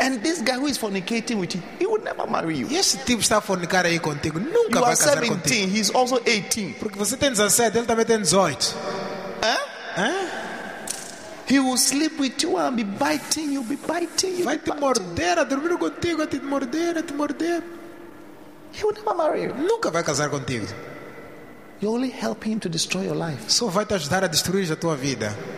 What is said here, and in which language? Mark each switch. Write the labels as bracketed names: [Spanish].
[English] And this guy who is fornicating with you, he would never marry you. [Portuguese] Esse tipo está a fornicar aí contigo, nunca [English] you [Portuguese] vai casar 17, contigo. [English] He's also 18. [Portuguese] Porque você tem 17, ele também tem 18. [English] He will sleep with you and be biting you, be biting you. [Portuguese] Vai te morder, a dormir contigo, a te morder, a te morder. [English] He will never marry you. [Portuguese] Nunca vai casar contigo. [English] You only help him to destroy your life. [Portuguese] Só vai te ajudar a destruir a tua vida.